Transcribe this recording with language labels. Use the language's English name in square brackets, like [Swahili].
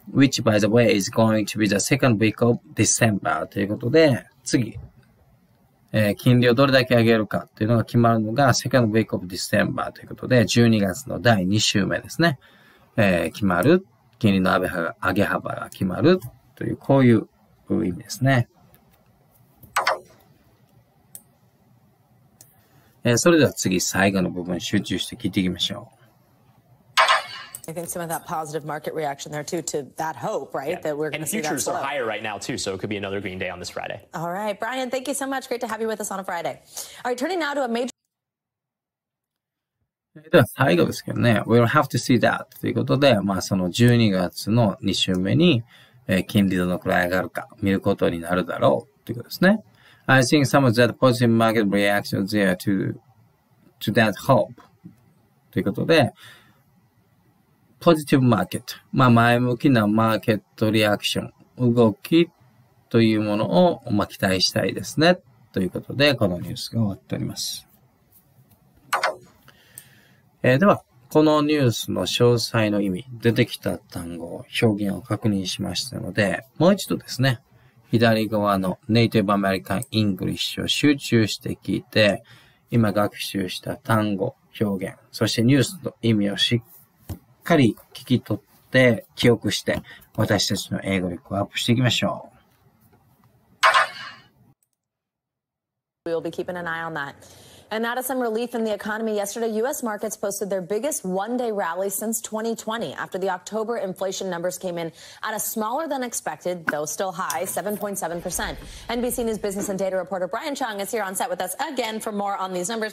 [English] Which by the way is going to be the second week of December [Japanese] ということで、次、金利をどれだけ上げるかというのが決まるのが [English] second week of December [Japanese] ということで、12月の第2週目ですね、決まる、金利の上げ幅が決まるというこういう意味ですね。それでは次、最後の部分集中して聞いていきましょう。 [English] I think some of that positive market reaction there too to that hope, right? Yeah. That we're going to see that. And futures are higher right now too, so it could be another green day on this Friday. All right, Brian, thank you so much. Great to have you with us on a Friday. All right, turning now to a major. [Japanese] では最後ですけどね、 [English] We'll have to see that [Japanese] ということで、まあその12月の2週目に金利どのくらい上がるか見ることになるだろうということですね。 [English] I think some of that positive market reaction there to that hope [Japanese] ということで。ポジティブマーケット、まあ前向きなマーケットリアクション、動きというものをまあ期待したいですね。ということで、このニュースが終わっております。では、このニュースの詳細の意味、出てきた単語、表現を確認しましたので、もう一度ですね、左側のネイティブアメリカンイングリッシュを集中して聞いて、今学習した単語、表現、そしてニュースの意味をしっかりしっかり聞き取って記憶して私たちの英語力をアップしていきましょう。 [English] We'll be keeping an eye on that. And out of some relief in the economy yesterday, U.S. markets posted their biggest one-day rally since 2020 after the October inflation numbers came in at a smaller than expected, though still high, 7.7%. NBC News business and data reporter Brian Chung is here on set with us again for more on these numbers.